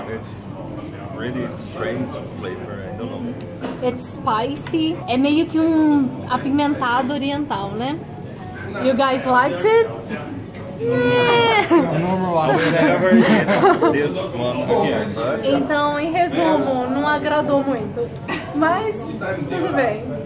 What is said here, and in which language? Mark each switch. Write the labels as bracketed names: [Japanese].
[English] It's really strange flavor. I don't know. It's spicy. [Portuguese] É meio que um apimentado oriental, né? [English] You guys liked it? Yeah. Normal, I would never eat this one again. But... [Portuguese] Então, em resumo, não agradou muito. Mas, tudo bem.